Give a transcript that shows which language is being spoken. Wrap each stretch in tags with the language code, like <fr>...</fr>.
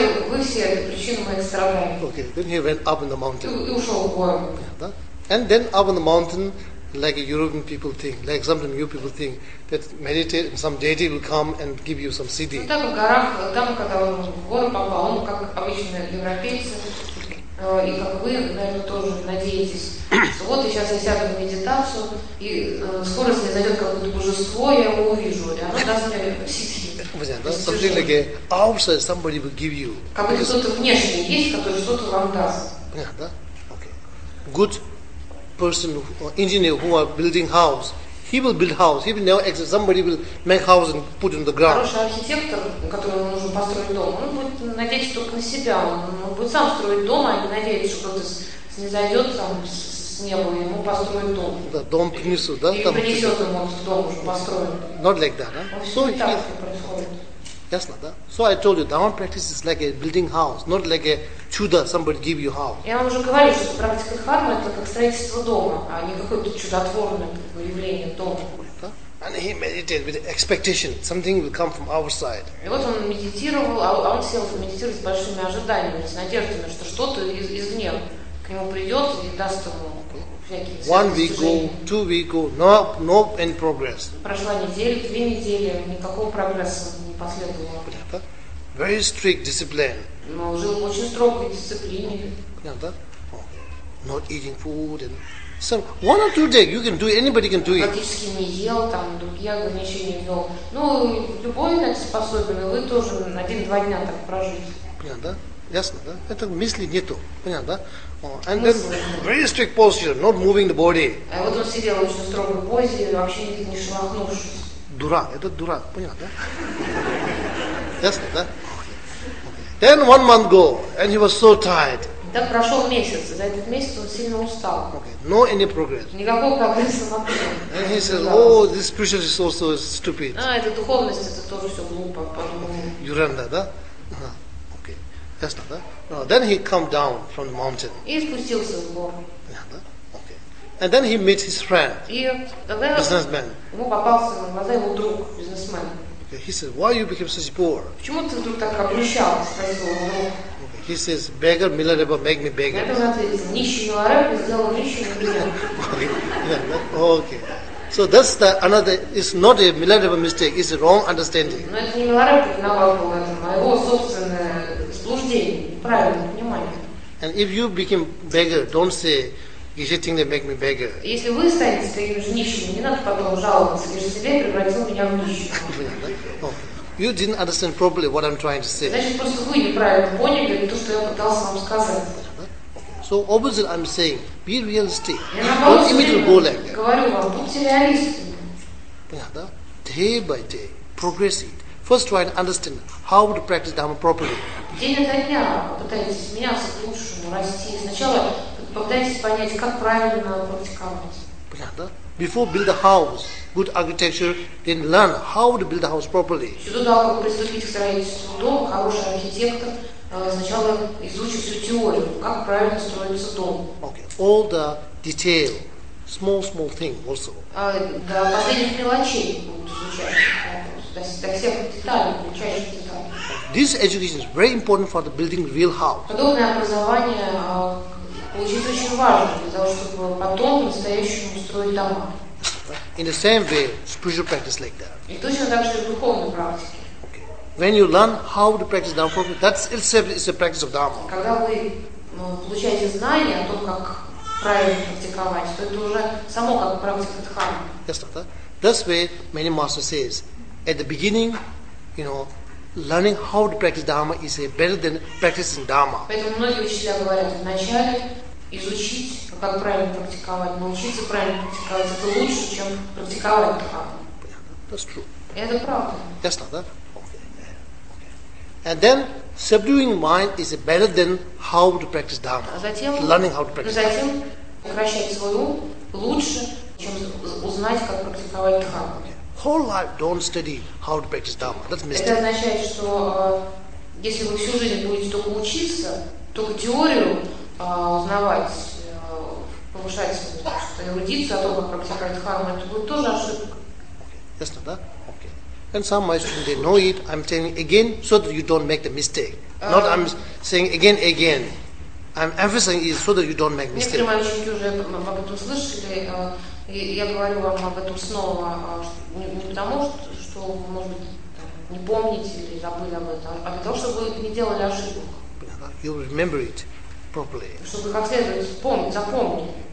<ru>Вы все причины моих страданий.</ru> <en>Okay, then he went up in the mountain.</en> <ru>И ушел в гору.</ru> <en>And then up in the mountain, like European people think, like some new people think, that meditate and some deity will come and give you some siddhi.</en> <ru>Там, когда он в горы попал, он как обычные европейцы, и как вы, наверное, тоже надеетесь, вот я сейчас сяду в медитацию, и скоро мне зайдет какое-то божество, я его увижу, и оно даст мне сиддхи.</ru> <en>That's something like a outside somebody will give you.</en> <ru>Как будто кто-то внешний есть, который что-то вам даст. Понятно, да?</ru> <en>Okay. Good. Person or engineer who are building house, he will build house. He will never exit. Somebody will make house and put in the ground.</en> <ru>Хороший архитектор, которому нужно построить дом, он будет надеяться только на себя. Он будет сам строить дом, а не надеяться, что кто-то снизойдет там с неба и ему построит дом. Да, дом принесут, да? И принесет ему этот дом уже построен.</ru> <en>Not like that,</en> <ru>да? Все не так происходит. Ясно, да?</ru> <en>So I told you, dharma practice is like a building house, not like a чудо, somebody give you house.</en> <ru>Я вам уже говорил, что практика дхармы это как строительство дома, а не какое-то чудотворное явление дома.</ru> <en>And he meditated with expectation, something will come from our side.</en> <ru>И вот он медитировал, а он сел медитировать с большими ожиданиями, с надеждами, что что-то извне к нему придет и даст ему.</ru> <en>One week go, 2 weeks go, no any progress.</en> <ru>Прошла неделя, 2 недели, никакого прогресса не последовало. Понятно?</ru> <en>Very strict discipline.</en> <ru>Но жил в очень строгой дисциплине. Понятно?</ru> <en>Not eating food and So one or two days you can do it, anybody can do it.</en> <ru>Практически не ел, там другие ограничения не вел. Ну, любой на это способен, и вы тоже один-два дня так прожить. Понятно, да? Ясно, да? Это мысли нету. Понятно, да?</ru> <en>And then very strict posture, not moving the body.</en> <ru>А вот он сидел в очень строгой позе, вообще не шелохнувшись. Дурак, это дурак, понятно, да? Ясно, да?</ru> <en>Then 1 month go, and he was so tired.</en> <ru>Так прошел месяц, за этот месяц он сильно устал.</ru> <en>Okay, no any progress.</en> <ru>Никакого прогресса вообще.</ru> <en>And he said, oh, this spiritual is also stupid.</en> <ru>А, это духовность, это тоже все глупо, подумал. Юренда, да?</ru> <en>Okay, that's not that. No, then he come down from the mountain.</en> <ru>И спустился в гору.</ru> <en>Yeah,</en> <ru>да?</ru> <en>Okay. And then he meet his friend.</en> <ru>И тогда</ru> <en>businessman.</en> <ru>Ему попался на глаза его друг, бизнесмен.</ru> <en>Okay, he says, why you became such poor?</en> <ru>Почему ты вдруг так обнищал?</ru> <en>He says, beggar, millionaire, make me beggar.</en> <ru>Это значит, нищий миллионер сделал нищего миллионера.</ru> <en>Okay. So that's the another. It's not a millionaire mistake. It's a wrong understanding.</en> <ru>Но это не миллионер, это его собственное заблуждение, правильное понимание.</ru> <en>And if you became beggar, don't say, is it thing that make me beggar?</en> <ru>Если вы станете таким же нищим, не надо потом жаловаться, если себе превратил меня в нищего.</ru> <en>You didn't understand properly what I'm trying to say.</en> <ru>Значит, просто вы неправильно поняли то, что я пытался вам сказать.</ru> <en>So opposite I'm saying, be realistic.</en> <ru>Я наоборот говорю вам, будьте реалистами. Понятно?</ru> <en>Day by day, progress it. First try to understand how to practice Dhamma properly.</en> <ru>День ото дня пытайтесь меняться к лучшему, расти. Сначала попытайтесь понять, как правильно практиковать. Понятно?</ru> <en>Before build a house, good architecture, then learn how to build a house properly.</en> <ru>До того, как приступить к строительству дома, хороший архитектор сначала изучит всю теорию, как правильно строится дом.</ru> <en>Okay, all the detail, small thing also.</en> <ru>До последних мелочей будут изучать, до всех деталей, мельчайших деталей.</ru> <en>This education is very important for the building real house.</en> <ru>Подобное образование получить очень важно для того, чтобы потом по-настоящему строить дома.</ru> <en>In the same way, spiritual practice like that.</en> <ru>И точно так же и в духовной практике.</ru> <en>Okay. When you learn how to practice Dhamma properly, that's itself is a practice of Dhamma.</en> <ru>Когда вы получаете знания о том, как правильно практиковать, то это уже само как практика Дхамма.</ru> <en>Yes, that. That's where many masters says, at the beginning, you know, learning how to practice Dhamma is better than practicing Dhamma.</en> <ru>Поэтому многие учителя говорят, вначале изучить, как правильно практиковать, научиться правильно практиковать, это лучше, чем практиковать Дхамму.</ru> <en>That's true.</en> <ru>Это правда.</ru> <en>That's not that. Okay. And then, subduing mind is better than how to practice Dhamma. Learning how to practice Dhamma.</en> <ru>Затем, укращать свой ум лучше, чем узнать, как практиковать Дхамму.</ru> <en>Whole life don't study how to practice Dhamma. That's mistake.</en> <ru>Это означает, что если вы всю жизнь будете только учиться, только теорию узнавать, повышать свою эрудицию о том, как практиковать Дхамму, это будет тоже ошибка. Ясно, да?</ru> <en>Okay. And some my students, they know it, I'm telling again, so that you don't make the mistake. Not I'm saying again. I'm emphasizing it so that you don't make mistake.</en> <ru>Некоторые мои ученики уже об этом слышали, я говорю вам об этом снова, не потому, что вы, может быть, там, не помните или забыли об этом, а для того, чтобы вы не делали ошибок.</ru> <en>You'll remember it properly.</en> <ru>Чтобы как следует вспомнить, запомнить.</ru>